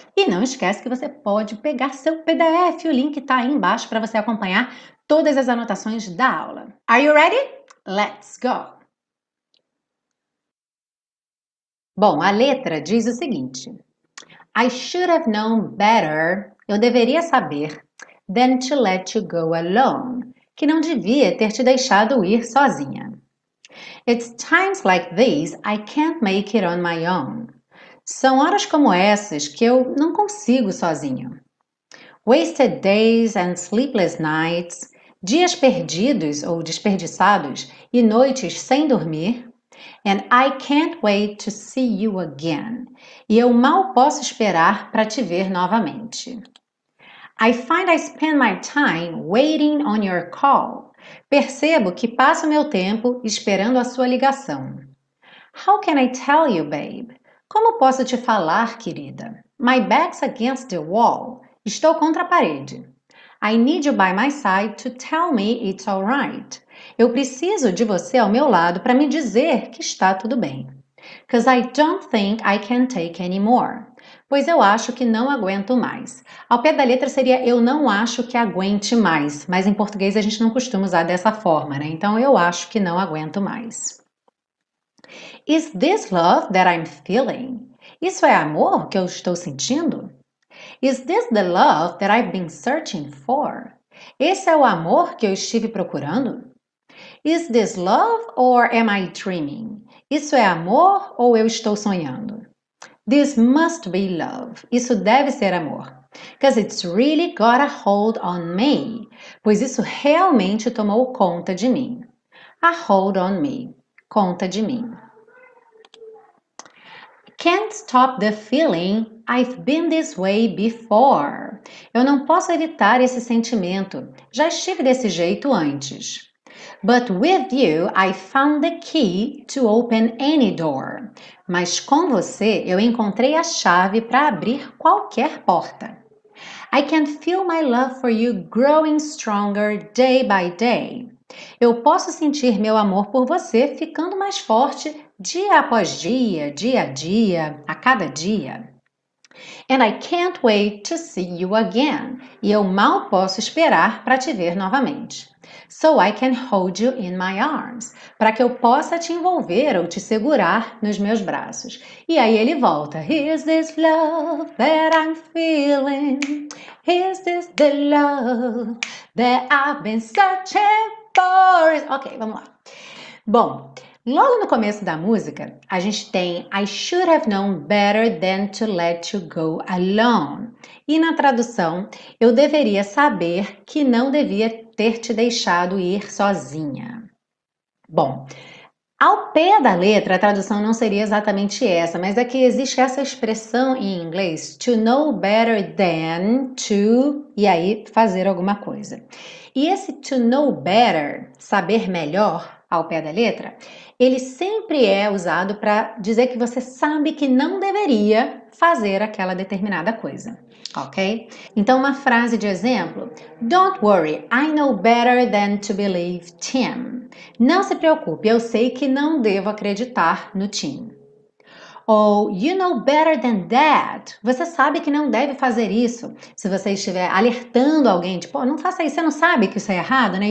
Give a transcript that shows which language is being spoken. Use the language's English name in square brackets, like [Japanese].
[Portuguese] E não esquece que você pode pegar seu PDF, o link está aí embaixo para você acompanhar todas as anotações da aula. [English] Are you ready? Let's go! [Portuguese] Bom, a letra diz o seguinte: [English] I should have known better, [Portuguese] eu deveria saber, [English] than to let you go alone, [Portuguese] que não devia ter te deixado ir sozinha. [English] It's times like these I can't make it on my own. [Portuguese] São horas como essas que eu não consigo sozinho. [English] Wasted days and sleepless nights, [Portuguese] dias perdidos ou desperdiçados e noites sem dormir. [English] And I can't wait to see you again. [Portuguese] E eu mal posso esperar para te ver novamente. [English] I find I spend my time waiting on your call. [Portuguese] Percebo que passo meu tempo esperando a sua ligação. [English] How can I tell you, babe? [Portuguese] Como posso te falar, querida? [English] My back's against the wall. [Portuguese] Estou contra a parede. [English] I need you by my side to tell me it's all right. [Portuguese] Eu preciso de você ao meu lado para me dizer que está tudo bem. [English] 'Cause I don't think I can take anymore. [Portuguese] Pois eu acho que não aguento mais. Ao pé da letra seria eu não acho que aguente mais. Mas em português a gente não costuma usar dessa forma, né? Então eu acho que não aguento mais. [English] Is this love that I'm feeling? [Portuguese] Isso é amor que eu estou sentindo? [English] Is this the love that I've been searching for? [Portuguese] Esse é o amor que eu estive procurando? [English] Is this love or am I dreaming? [Portuguese] Isso é amor ou eu estou sonhando? [English] This must be love. [Portuguese] Isso deve ser amor. [English] 'Cause it's really got a hold on me. [Portuguese] Pois isso realmente tomou conta de mim. [English] A hold on me. [Portuguese] Conta de mim. [English] Can't stop the feeling I've been this way before. [Portuguese] Eu não posso evitar esse sentimento. Já estive desse jeito antes. [English] But with you, I found the key to open any door. [Portuguese] Mas com você, eu encontrei a chave para abrir qualquer porta. [English] I can feel my love for you growing stronger day by day. [Portuguese] Eu posso sentir meu amor por você ficando mais forte dia após dia, dia a dia, a cada dia. [English] And I can't wait to see you again. [Portuguese] E eu mal posso esperar para te ver novamente. [English] so I can hold you in my arms, [Portuguese] para que eu possa te envolver ou te segurar nos meus braços. E aí ele volta. [English] Is this love that I'm feeling? Is this the love that I've been searching for? [Portuguese] Ok, vamos lá. Bom, logo no começo da música, a gente tem [English] I should have known better than to let you go alone. [Portuguese] E na tradução, eu deveria saber que não devia ter te deixado ir sozinha. Bom, ao pé da letra, a tradução não seria exatamente essa, mas é que existe essa expressão em inglês, [English] to know better than to, [Portuguese] e aí fazer alguma coisa. E esse [English] to know better, [Portuguese] saber melhor, ao pé da letra, ele sempre é usado para dizer que você sabe que não deveria fazer aquela determinada coisa, ok? Então, uma frase de exemplo: [English] Don't worry, I know better than to believe Tim. [Portuguese] Não se preocupe, eu sei que não devo acreditar no Tim. [English] Ou, you know better than that. [Portuguese] Você sabe que não deve fazer isso. Se você estiver alertando alguém, tipo, oh, não faça isso, você não sabe que isso é errado, né?